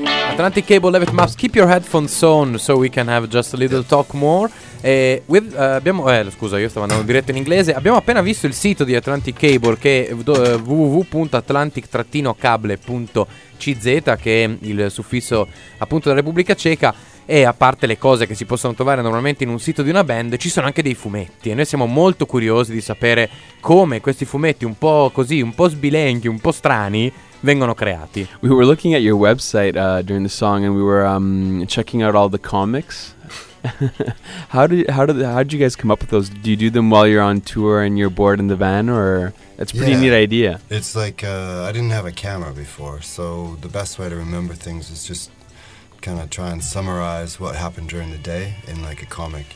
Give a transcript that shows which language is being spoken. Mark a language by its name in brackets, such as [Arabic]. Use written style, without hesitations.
[English] Atlantic Cable, Levit Maps, keep your headphones on so we can have just a little talk more. [Italian] Scusa, io stavo andando diretto in inglese. Abbiamo appena visto il sito di Atlantic Cable, che è www.atlantic-cable.cz, che è il suffisso appunto della Repubblica Ceca. E a parte le cose che si possono trovare normalmente in un sito di una band, ci sono anche dei fumetti. E noi siamo molto curiosi di sapere come questi fumetti, un po' così, un po' sbilenchi, un po' strani, vengono creati. [English] We were looking at your website during the song, and we were checking out all the comics. how did you guys come up with those? Do you do them while you're on tour and you're bored in the van, or that's a pretty neat idea? It's like I didn't have a camera before, so the best way to remember things is just kind of try and summarize what happened during the day in like a comic.